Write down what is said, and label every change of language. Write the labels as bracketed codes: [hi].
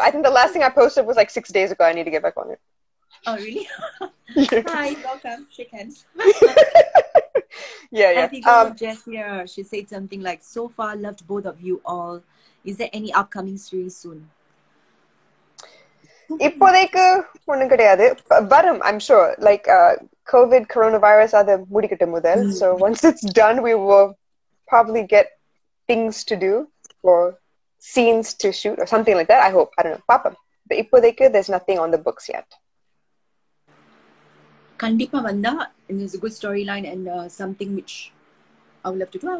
[en] I think the last thing I posted was like 6 days ago. I need to get back on it. Oh, really? Hi, welcome. Shake hands. Yeah. Jess here. She said something like, so far, loved both of you all. Is there any upcoming series soon? [ta] இப்போதைக்கு ஒண்ணும் கிடையாது. வரும், [en] I'm sure. Like covid corona virus [ta] அது முடிக்கட்டு முதல். [en] So once it's done we will probably get things to do for scenes to shoot or something like that. I hope. I don't know. [ta] பாப்பம். இப்போதைக்கு [en] There's nothing on the books yet. [ta] கண்டிப்பா வந்தா [en] It is a good storyline and something which I would love to do.